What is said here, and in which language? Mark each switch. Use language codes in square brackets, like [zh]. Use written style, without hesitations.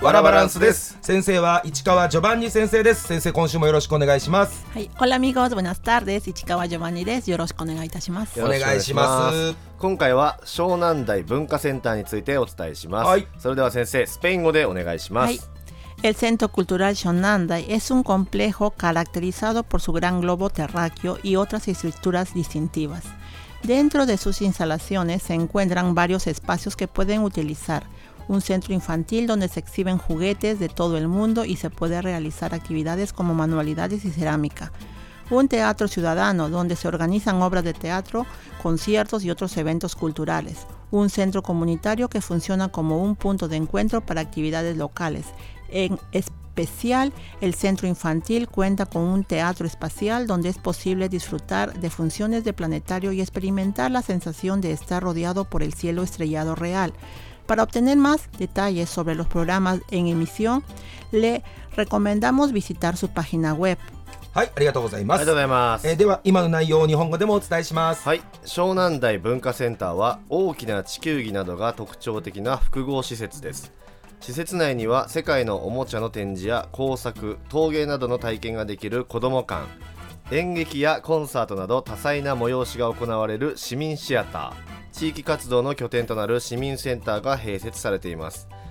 [ja] ワラバランスです。先生は市川ジョバンニ先生です。先生、今週もよろしくお願いします。はい、オラミゴズ、ブナスタールです。市川ジョバンニです。よろしくお願いいたします。お願いします。今回は湘南台文化センターについてお伝えします。はい、それでは先生、スペイン語でお願いします。はい、 [es] El Centro Cultural Xionnan Dai es un complejo caracterizado por su gran globo terráqueo y otras estructuras distintivas. Dentro de sus instalaciones se encuentran varios espacios que pueden utilizar. Un centro infantil donde se exhiben juguetes de todo el mundo y se puede realizar actividades como manualidades y cerámica. Un teatro ciudadano donde se organizan obras de teatro, conciertos y otros eventos culturales. Un centro comunitario que funciona como un punto de encuentro para actividades locales. En especial, el centro infantil cuenta con un teatro espacial donde es posible disfrutar de funciones de planetario y experimentar la sensación de estar rodeado por el cielo estrellado real. Para obtener más detalles sobre los programas en emisión, le recomendamos visitar su página web. [ja] はい、ありがとうございます。ありがとうございます。では今の内容を日本語でもお伝えします。はい、湘南台文化センターは大きな地球儀などが特徴的な複合施設です。施設内には世界のおもちゃの展示や工作、陶芸などの体験ができる子ども館、演劇やコンサートなど多彩な催しが行われる市民シアター、地域活動の拠点となる市民センターが併設されています。